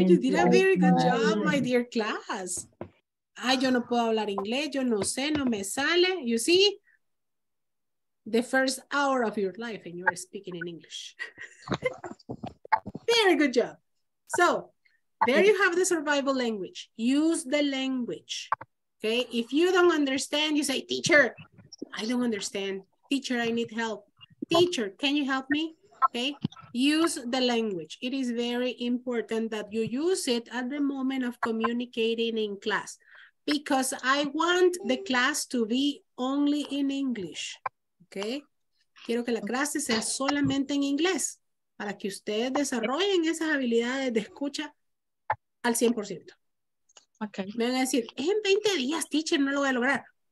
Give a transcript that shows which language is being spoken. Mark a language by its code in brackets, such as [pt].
[en] You did a very good job, my dear class. [es] Ay, yo no puedo hablar inglés, yo no sé, no me sale. [en] You see? The first hour of your life and you're speaking in English. Very good job. So, there you have the survival language. Use the language, okay? If you don't understand, you say, teacher, I don't understand. Teacher, I need help. Teacher, can you help me? Okay, use the language. It is very important that you use it at the moment of communicating in class. Because I want the class to be only in English, okay? [es] Quiero que la clase sea solamente en inglés para que ustedes desarrollen esas habilidades de escucha al 100%. [en] Okay. [es] Me van a decir, es en 20 días, teacher, no lo voy a lograr.